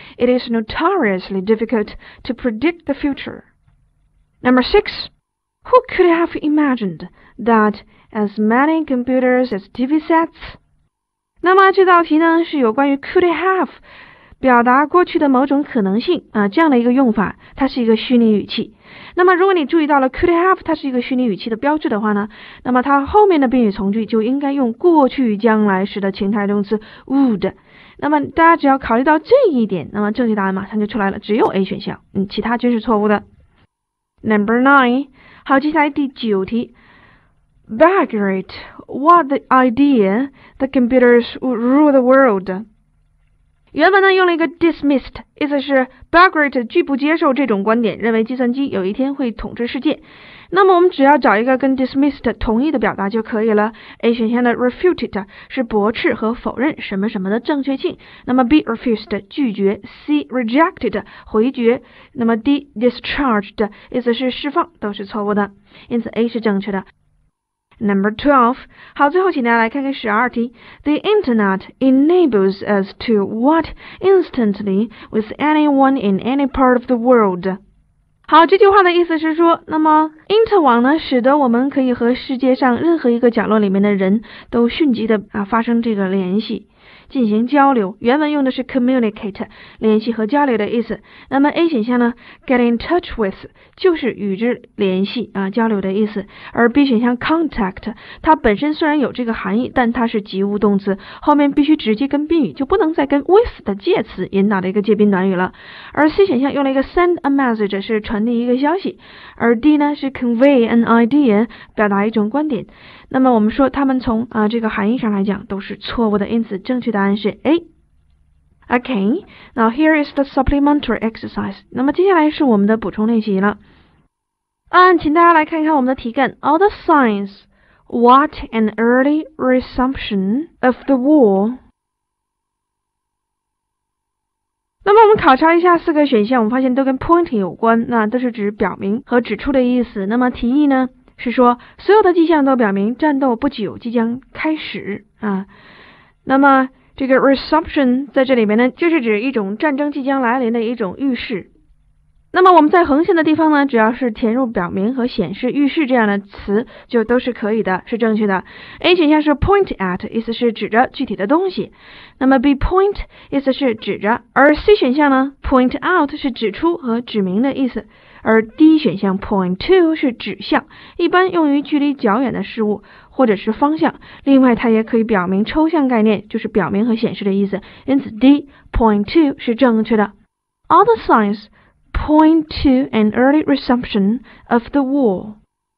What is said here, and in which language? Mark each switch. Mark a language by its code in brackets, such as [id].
[en] It is notoriously difficult to predict the future. Number 6. Who could have imagined that as many computers as TV sets? [zh] 那么这道题呢是有关于 could have 表达过去的某种可能性啊、这样的一个用法，它是一个虚拟语气。那么如果你注意到了 could have 它是一个虚拟语气的标志的话呢，那么它后面的宾语从句就应该用过去将来时的情态动词 would。那么大家只要考虑到这一点，那么正确答案马上就出来了，只有 A 选项，其他均是错误的。 [en] Number 9. [zh] 好，接下来第9题。 [en] Bagrat, what the idea that computers would rule the world? [zh] 原本呢用了一个 dismissed， 意思是 Bagrat 拒不接受这种观点，认为计算机有一天会统治世界。那么我们只要找一个跟 dismissed 同意的表达就可以了。A 选项的 refuted 是驳斥和否认什么什么的正确性。那么 B refused 拒绝 ，C rejected 回绝，那么 D discharged 意思是释放，都是错误的。因此 A 是正确的。 [en] Number 12. [zh] 好，最后请大家来看看12题。 [en] The internet enables us to what instantly with anyone in any part of the world. [zh] 好，这句话的意思是说，那么因特网呢，使得我们可以和世界上任何一个角落里面的人都迅即的啊发生这个联系，进行交流。原文用的是 communicate， 联系和交流的意思。那么 A 选项呢 ，get in touch with 就是与之联系啊交流的意思。而 B 选项 contact， 它本身虽然有这个含义，但它是及物动词，后面必须直接跟宾语，就不能再跟 with 的介词引导的一个介宾短语了。而 C 选项用了一个 send a message， 是传递一个消息。而 D 呢是 convey an idea， 表达一种观点。那么我们说它们从啊这个含义上来讲都是错误的，因此正确。答案是 [en] A. Okay, now here is the supplementary exercise. [zh] 那么接下来是我们的补充练习了。请大家来看看我们的题干。 [en] All the signs, what an early resumption of the war. [zh] 那么我们考察一下四个选项，我们发现都跟 point 有关，那都是指表明和指出的意思。那么提议呢，是说所有的迹象都表明战斗不久即将开始啊。那么这个 resumption 在这里面呢，就是指一种战争即将来临的一种预示。那么我们在横线的地方呢，只要是填入表明和显示、预示这样的词，就都是可以的，是正确的。 A 选项是 point at， 意思是指着具体的东西。那么 B point， 意思是指着。而 C 选项呢 ，point out 是指出和指明的意思。而 D 选项 point to 是指向，一般用于距离较远的事物或者是方向。另外它也可以表明抽象概念，就是表明和显示的意思。因此 D point to 是正确的。 [en] All the signs point to an early resumption of the war.